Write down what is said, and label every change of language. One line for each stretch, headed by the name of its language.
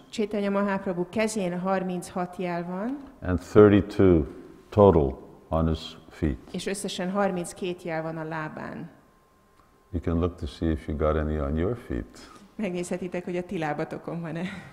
Hungarian: Chaitanya Mahaprabhu kezén 36 jel van.
English: And 32 total on his feet.
Hungarian: És összesen 32 jel van a lábán.
English: You can look to see if you got any on your feet.
Hungarian: Megnézhetitek, hogy a ti lábatokon van-e.